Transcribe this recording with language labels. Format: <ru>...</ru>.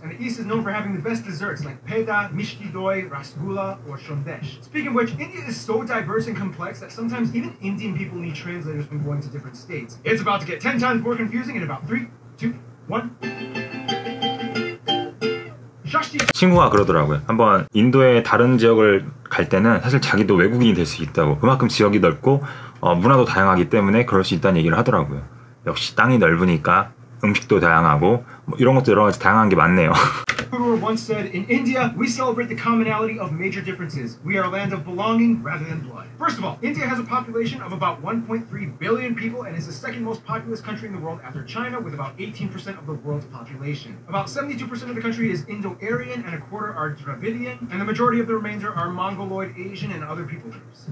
<en>And the East is known for having the best desserts, like peda, mishti doi, rasgulla, or shondesh. Speaking of which, India is so diverse and complex that sometimes even Indian people need translators when going to different states. It's about to get 10 times more confusing in about 3, 2, 1...</en> <ko>친구가 그러더라고요. 한번 인도의 다른 지역을 갈 때는 사실 자기도 외국인이 될 수 있다고. 그만큼 지역이 넓고 문화도 다양하기 때문에 그럴 수 있다는 얘기를 하더라고요. 역시 땅이 넓으니까 음식도 다양하고 뭐 이런 것도 여러 가지 다양한 게 많네요.</ko> <en>Once said, in India, we celebrate the commonality of major differences. We are a land of belonging rather than blood. First of all, India has a population of about 1.3 billion people and is the second most populous country in the world after China, with about 18% of the world's population. About 72% of the country is Indo-Aryan and a quarter are Dravidian, and the majority of the remainder are Mongoloid, Asian, and other people groups.</en>